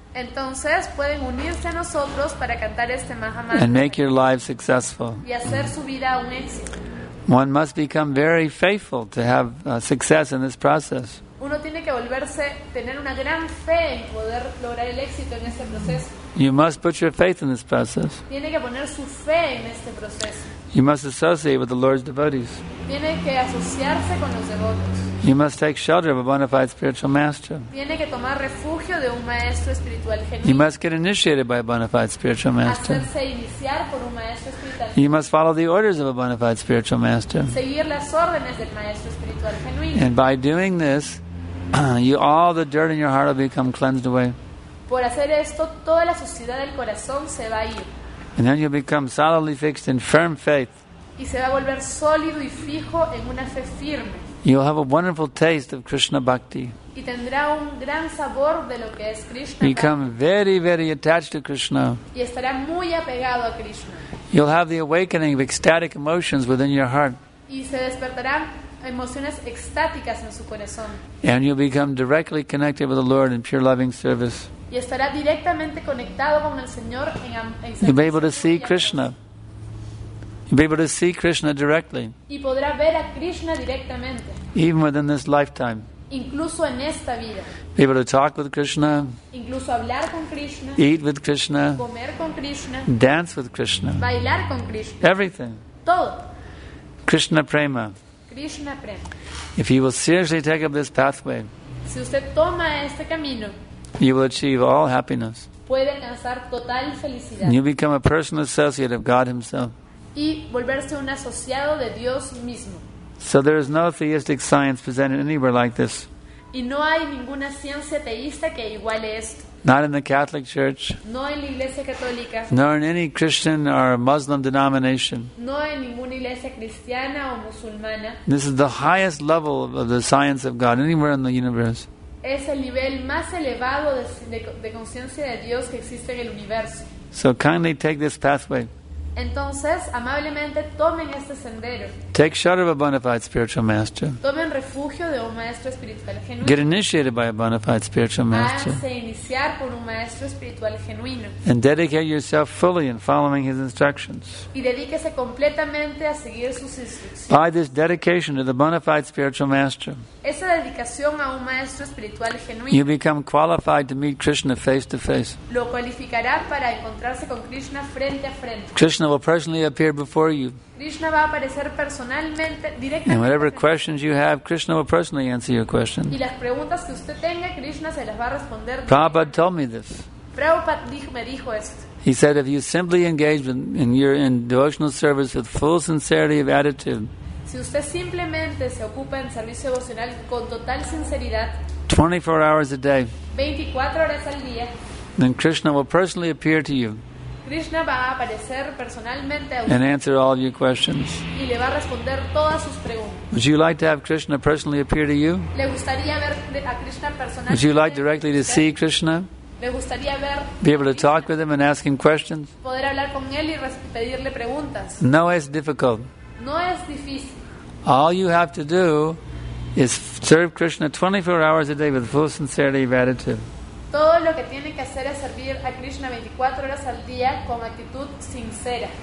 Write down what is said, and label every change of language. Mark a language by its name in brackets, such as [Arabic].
[Spanish] Entonces pueden unirse a nosotros para cantar este Maha Mantra. [English] And make your life successful. [Spanish] Y hacer su vida un éxito. [English] One must become very faithful to have success in this process. [Spanish] Uno tiene que volverse, tener una gran fe en poder lograr el éxito en este proceso. [English] You must put your faith in this process. [Spanish] Tiene que poner su fe en este proceso. [English] You must associate with the Lord's devotees. [Spanish] Tiene que asociarse con los devotos. [English] You must take shelter of a bona fide spiritual master. [Spanish] Tiene que tomar refugio de un maestro espiritual genuino. [English] You must get initiated by a bona fide spiritual master. [Spanish] Hacerse iniciar por un maestro espiritual genuino. [English] You must follow the orders of a bona fide spiritual master. [Spanish] Seguir las órdenes del maestro espiritual genuino. [English] And by doing this, you all the dirt in your heart will become cleansed away. [Spanish] Por hacer esto, toda la suciedad del corazón se va a ir. [English] And then you'll become solidly fixed in firm faith. [Spanish] Y se va a volver sólido y fijo en una fe firme. [English] You'll have a wonderful taste of Krishna bhakti. [Spanish] Y tendrá un gran sabor de lo que es Krishna. [English] Become very, very attached to Krishna. [Spanish] Y estará muy apegado a Krishna. [English] You'll have the awakening of ecstatic emotions within your heart. [Spanish] Y se despertarán emociones extáticas en su corazón. [English] And you'll become directly connected with the Lord in pure loving service. [Spanish] Y estará directamente conectado con el Señor en servicio. [English] You'll be able to see Krishna. You'll be able to see Krishna directly. [Spanish] Y podrá ver a Krishna directamente. [English] Even within this lifetime. [Spanish] Incluso en esta vida. [English] Be able to talk with Krishna. [Spanish] Incluso hablar con Krishna. [English] Eat with Krishna. [Spanish] Comer con Krishna. [English] Dance with Krishna. [Spanish] Bailar con Krishna. [English] Everything. [Spanish] Todo. [English] Krishna prema. [Spanish] Krishna prema. [English] If you will seriously take up this pathway. [Spanish] Si usted toma este camino. [English] You will achieve all happiness. [Spanish] Puede alcanzar total felicidad. [English] And you become a personal associate of God Himself. [Spanish] Y volverse un asociado de Dios mismo. [English] So there is no theistic science presented anywhere like this. [Spanish] Y no hay ninguna ciencia teísta que iguale esto. [English] Not in the Catholic Church. [Spanish] No en la Iglesia Católica. [English] Nor in any Christian or Muslim denomination. [Spanish] No en ninguna iglesia cristiana o musulmana. [English] This is the highest level of the science of God anywhere in the universe. [Spanish] Es el nivel más elevado de conciencia de Dios que existe en el universo. [English] So kindly take this pathway. [Spanish] Entonces, amablemente tomen este sendero. [English] Take shelter of a bona fide spiritual master. [Spanish] Tomen refugio de un maestro espiritual genuino. [English] Get initiated by a bona fide spiritual master. [Spanish] Hazte iniciar por un maestro espiritual genuino. [English] And dedicate yourself fully in following his instructions. [Spanish] Y dedíquese completamente a seguir sus instrucciones. [English] By this dedication to the bona fide spiritual master. [Spanish] Esa dedicación a un maestro espiritual genuino. [English] You become qualified to meet Krishna face to face. [Spanish] Lo cualificará para encontrarse con Krishna frente a frente. [English] Krishna will personally appear before you. [Spanish] Krishna va a aparecer personalmente, directamente. [English] And whatever questions you have, Krishna will personally answer your question. [Spanish] Y las preguntas que usted tenga, Krishna se las va a responder. [English] Prabhupada told me this. [Spanish] Prabhupada me dijo esto. [English] He said, if you simply engage in your in devotional service with full sincerity of attitude, [Spanish] si usted simplemente se ocupa en servicio devocional con total sinceridad, [English] 24 hours a day, [Spanish] 24 horas al día, [English] then Krishna will personally appear to you. [Spanish] Krishna va a aparecer personalmente a usted. [English] And answer all of your questions. [Spanish] Y le va a responder todas sus preguntas. [English] Would you like to have Krishna personally appear to you? [Spanish] Le gustaría ver a Krishna personalmente. [English] Would you like directly to see Krishna? [Spanish] Le gustaría ver. [English] Be able to talk with him and ask him questions. [Spanish] Poder hablar con él y pedirle preguntas. No es difícil. No es difícil. [English] All you have to do is serve Krishna 24 hours a day with full sincerity of attitude. [Spanish] Todo lo que tiene que hacer es servir a Krishna 24 horas al día con actitud sincera.